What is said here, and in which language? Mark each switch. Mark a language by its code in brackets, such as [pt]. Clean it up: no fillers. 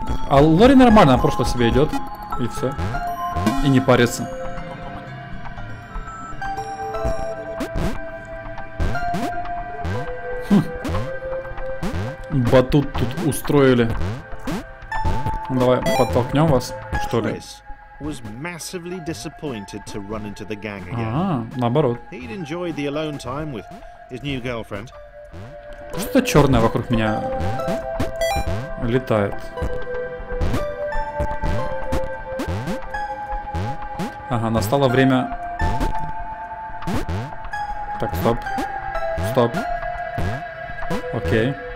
[ru] А Лори нормально, она просто себе идет. И все. И не парится. Батут тут устроили. Давай подтолкнем вас, что ли? [en] Was massively disappointed to run into the gang again. [ru] Ага, наоборот. [en] He'd enjoyed the alone time with his new girlfriend. [ru] Что-то черное вокруг меня летает. Ага, настало время. Так, стоп. Стоп. Окей.